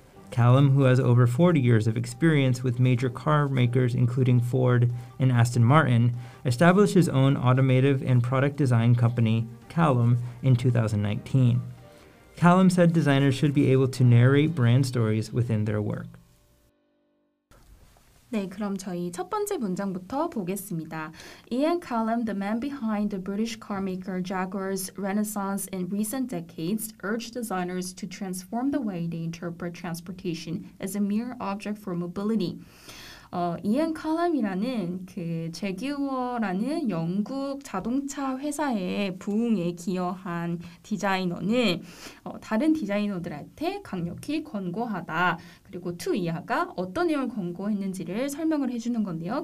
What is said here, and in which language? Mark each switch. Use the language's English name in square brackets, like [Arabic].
[English] Callum, who has over 40 years of experience with major car makers including Ford and Aston Martin, established his own automotive and product design company, Callum, in 2019. Callum said designers should be able to narrate brand stories within their work. [Korean] 네, 그럼 저희 첫 번째 문장부터 보겠습니다. [English] Ian Callum, the man behind the British car maker Jaguar's renaissance in recent decades, urged designers to transform the way they interpret transportation as a mere object for mobility. [Korean] 이앤 칼럼이라는 그 제규어라는 영국 자동차 회사의 부흥에 기여한 디자이너는 다른 디자이너들한테 강력히 권고하다. 그리고 투 이하가 어떤 내용을 권고했는지를 설명을 해주는 건데요.